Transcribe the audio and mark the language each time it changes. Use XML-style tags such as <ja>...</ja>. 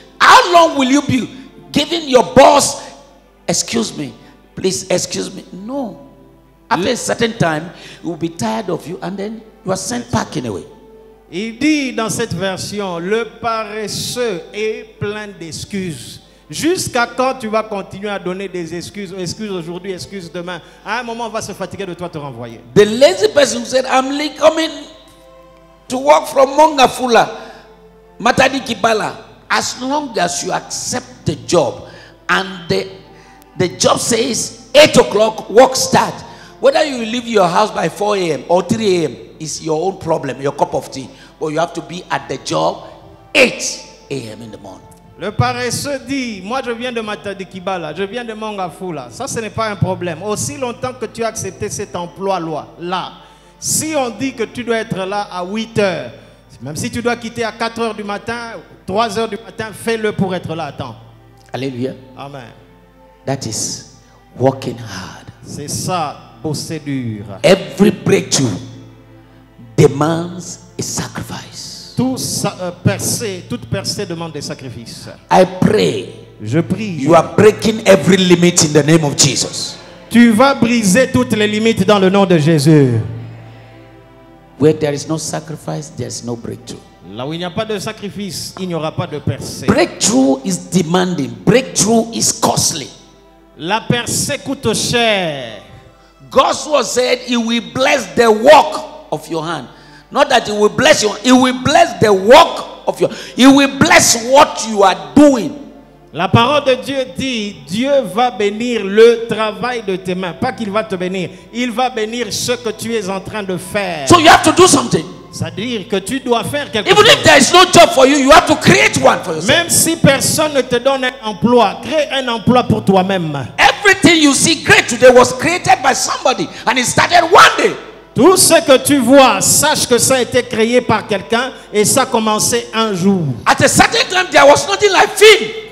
<en>How long will you be giving your boss, excuse me, please excuse me. No. After a certain time, he will be tired of you and then you are sent back anyway.</en> <fr>Il dit dans cette version, le paresseux est plein d'excuses. Jusqu'à quand tu vas continuer à donner des excuses, excuses aujourd'hui, excuses demain. À un moment, on va se fatiguer de toi, te renvoyer.</fr> <en>The lazy person who said, I'm coming to work from Mongafula, Matadi Kibala. As long as you accept the job and the job says 8 o'clock work start, Whether you leave your house by 4 a.m. or 3 a.m. is your own problem, your cup of tea. But you have to be at the job 8 a.m. in the morning.</en> <fr>Le paresseux dit, moi je viens de Matadikiba là, je viens de Mangafu là. Ça ce n'est pas un problème. Aussi longtemps que tu as accepté cet emploi loi là, si on dit que tu dois être là à 8 heures, même si tu dois quitter à 4 heures du matin, 3 heures du matin, fais-le pour être là à temps. Alléluia. Amen.</fr> <en>That is working hard.</en> <fr>C'est ça, bosser dur.</fr> <en>Every breakthrough demands a sacrifice.</en> <fr>Tout sa, percée, toute percée demande des sacrifices.</fr> <en>I pray.</en> <fr>Je prie.</fr> <en>You are breaking every limit in the name of Jesus.</en> <fr>Tu vas briser toutes les limites dans le nom de Jésus.</fr> <en>Where there is no sacrifice, there is no breakthrough.</en> <fr>Là où il n'y a pas de sacrifice, il n'y aura pas de percée.</fr> <en>Breakthrough is demanding. Breakthrough is costly.</en> <fr>La percée coûte cher.</fr> <en>God's word said he will bless the work of your hand. Not that he will bless you, he will bless the work of your, he will bless what you are doing.</en> <fr>La parole de Dieu dit, Dieu va bénir le travail de tes mains. Pas qu'il va te bénir, il va bénir ce que tu es en train de faire.</fr> <en>So you have to do something.</en> <fr>C'est-à-dire que tu dois faire quelque</fr> <en>Even</en> <fr>chose.</fr> <en>If there is no job for you, you have to create one for yourself.</en> <fr>Même si personne ne te donne un emploi, crée un emploi pour toi-même.</fr> <en>Everything you see great today was created by somebody and it started one day.</en> <fr>Tout ce que tu vois, sache que ça a été créé par quelqu'un et ça a commencé un jour.</fr> <en>At a certain time, there was nothing like film.</en>